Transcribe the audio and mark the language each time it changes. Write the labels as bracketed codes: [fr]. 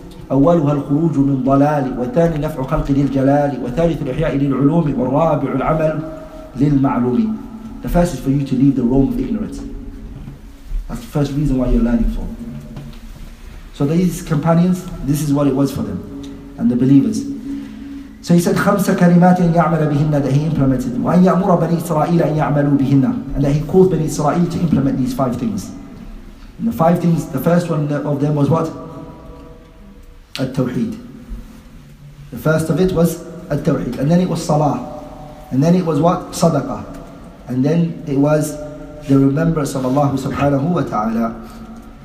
[ar] أولها الخروج من ضلال وثاني نفع خلق للجلال وثالث الإحياء للعلوم والرابع العمل للمعلوم. [en] The first is for you to leave the realm of ignorance. That's the first reason why you're learning for. So these companions, this is what it was for them and the believers. So he said, [ar] خمس كلمات أن يعمل بهن, [en] that he implemented, [ar] وأن يأمر بني إسرائيل أن يعملوا بهن, [en] and that he caused بني إسرائيل to implement these five things. And the five things, the first one of them was what? At-Tawheed. The first of it was At-Tawheed. And then it was Salah. And then it was what? Sadaqah. And then it was the remembrance of Allah subhanahu wa ta'ala.